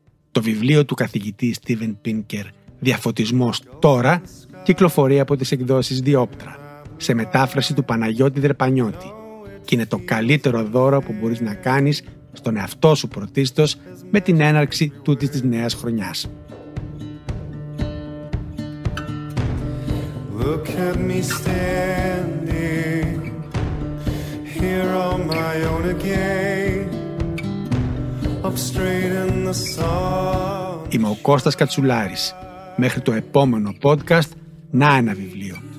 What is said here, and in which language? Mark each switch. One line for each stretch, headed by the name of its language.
Greek: Το βιβλίο του καθηγητή Steven Pinker «Διαφωτισμός τώρα» κυκλοφορεί από τις εκδόσεις Διόπτρα σε μετάφραση του Παναγιώτη Δρεπανιώτη και είναι το καλύτερο δώρο που μπορείς να κάνεις στον εαυτό σου πρωτίστως με την έναρξη τούτης της νέας χρονιάς.
English: Look at me standing here on my own again, up straight in the sun.
Greek: Είμαι ο Κώστας Κατσουλάρης. Μέχρι το επόμενο podcast, να ένα βιβλίο.